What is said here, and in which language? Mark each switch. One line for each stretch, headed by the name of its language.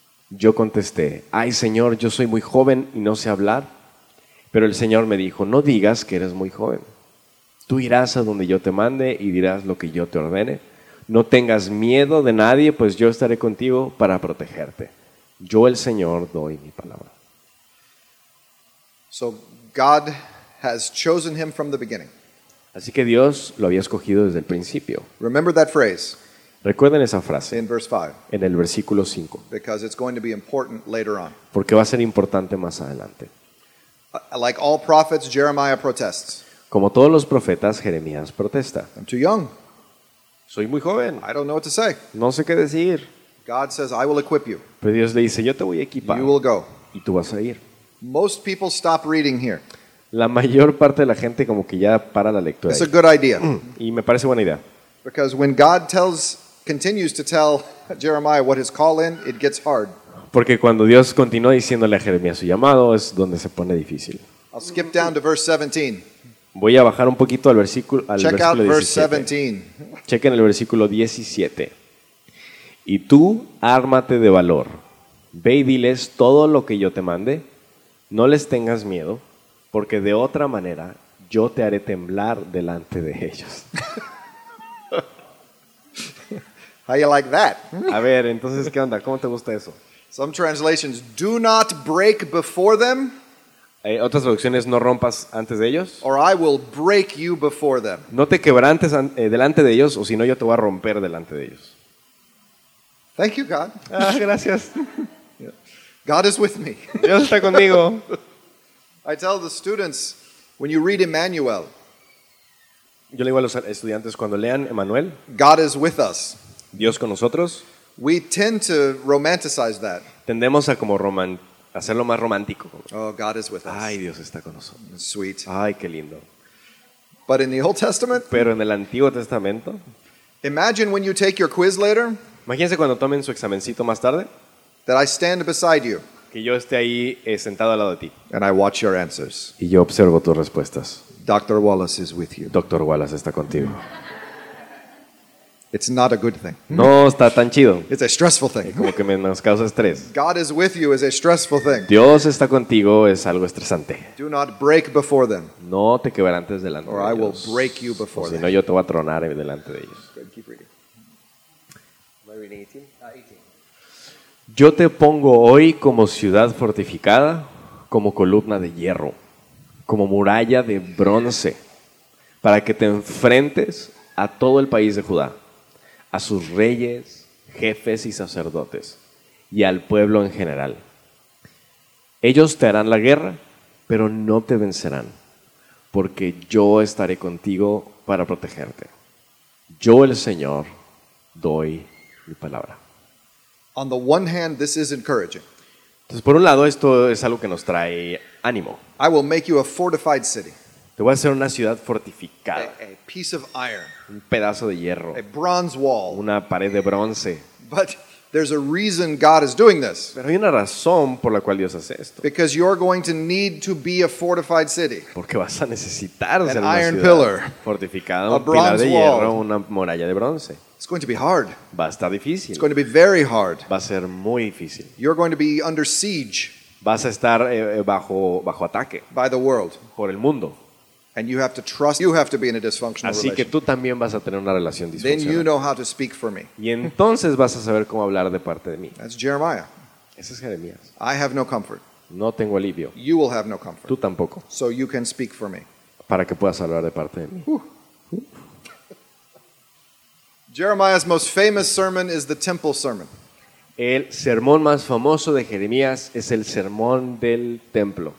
Spanish: Yo contesté, ay Señor, yo soy muy joven y no sé hablar. Pero el Señor me dijo, no digas que eres muy joven. Tú irás a donde yo te mande y dirás lo que yo te ordene. No tengas miedo de nadie, pues yo estaré contigo para protegerte. Yo, el Señor, doy mi palabra.
English: So God has chosen him from the beginning.
Spanish: Así que Dios lo había escogido desde el principio.
English: Remember that phrase.
Spanish: Recuerden esa frase.
English: In verse 5.
Spanish: En el versículo 5.
English: Because it's going to be important later on.
Spanish: Porque va a ser importante más adelante.
English: Like all prophets, Jeremiah protests.
Spanish: Como todos los profetas, Jeremías protesta.
English: I'm too young.
Spanish: Soy muy joven.
English: I don't know what to say.
Spanish: No sé qué decir.
English: God says, I will equip you.
Spanish: Pero Dios le dice, yo te voy a equipar.
English: You will go.
Spanish: Y tú vas a ir.
English: Most people stop reading here.
Spanish: La mayor parte de la gente como que ya para la lectura.
English: It's a good idea.
Spanish: Y me parece buena idea.
English: Because when God continues to tell Jeremiah what his call is, it gets hard.
Spanish: Porque cuando Dios continúa diciéndole a Jeremías su llamado, es donde se pone difícil.
English: I'll skip down to verse 17.
Spanish: Voy a bajar un poquito al versículo, al
English: check
Spanish: versículo
English: out verse 17.
Spanish: 17. Chequen el versículo 17. Y tú, ármate de valor. Ve y diles todo lo que yo te mande. No les tengas miedo, porque de otra manera yo te haré temblar delante de ellos.
English: How you like that?
Spanish: A ver, entonces, ¿qué onda? ¿Cómo te gusta eso?
English: Some translations, do not break before them.
Spanish: Otras traducciones, no rompas antes de ellos.
English: Or I will break you before them.
Spanish: No te quebrantes delante de ellos, o si no, yo te voy a romper delante de ellos.
English: Thank you, God.
Spanish: Ah, gracias.
English: God is with me.
Spanish: Dios está conmigo.
English: I tell the students, When you read Emmanuel,
Spanish: yo le digo a los estudiantes cuando lean Emmanuel,
English: God is with us.
Spanish: Dios con nosotros.
English: We tend to romanticize that.
Spanish: Tendemos a como hacerlo más romántico.
English: Oh, God is with us.
Spanish: Ay, Dios está con nosotros.
English: Sweet.
Spanish: Ay, qué lindo.
English: But in the Old Testament,
Spanish: pero en el Antiguo Testamento,
English: imagine when you take your quiz later.
Spanish: Imagínense cuando tomen su examencito más tarde.
English: That I stand beside you.
Spanish: Que yo esté ahí sentado al lado de ti.
English: And I watch your answers.
Spanish: Y yo observo tus respuestas.
English: Dr. Wallace is with you.
Spanish: Dr. Wallace está contigo.
English: It's not a good thing.
Spanish: No está tan chido.
English: It's a stressful thing.
Spanish: Como que me nos causa estrés.
English: God is with you is a stressful thing.
Spanish: Dios está contigo es algo estresante.
English: Do not break before them.
Spanish: No te quebrantes delante
English: or
Spanish: de ellos.
English: Or I will break you before them.
Spanish: Si no, yo te voy a tronar delante de ellos.
English: Good, keep reading. Am I reading 18? 18.
Spanish: Yo te pongo hoy como ciudad fortificada, como columna de hierro, como muralla de bronce, para que te enfrentes a todo el país de Judá, a sus reyes, jefes y sacerdotes, y al pueblo en general. Ellos te harán la guerra, pero no te vencerán, porque yo estaré contigo para protegerte. Yo, el Señor, doy mi palabra.
English: On the one hand, this is encouraging.
Spanish: Entonces, por un lado, esto es algo que nos trae ánimo.
English: I will make you a fortified city.
Spanish: Te voy a hacer una ciudad fortificada.
English: A piece of iron.
Spanish: Un pedazo de hierro.
English: A bronze wall.
Spanish: Una pared de bronce.
English: But there's a reason God is doing this.
Spanish: Pero hay una razón por la cual Dios hace esto.
English: Because you're going to need to be a fortified city.
Spanish: Porque vas a necesitar ser una
English: iron pillar,
Spanish: fortificada, un pilar de hierro, una muralla de bronce.
English: It's going to be hard.
Spanish: Va a estar difícil.
English: It's going to be very hard.
Spanish: Va a ser muy difícil.
English: You're going to be under siege.
Spanish: Vas a estar bajo ataque.
English: By the world.
Spanish: Por el mundo.
English: And you have to trust. You have to be in a dysfunctional relationship.
Spanish: Así que tú también vas a tener una relación disfuncional.
English: Then you know how to speak for me.
Spanish: Y entonces vas a saber cómo hablar de parte de mí.
English: That's Jeremiah.
Spanish: Ese es Jeremías.
English: I have no comfort.
Spanish: No tengo alivio.
English: You will have no comfort.
Spanish: Tú tampoco.
English: So you can speak for me.
Spanish: Para que puedas hablar de parte de mí.
English: Jeremiah's most famous sermon is the temple sermon.
Spanish: El sermón más famoso de Jeremías es el sermón del templo.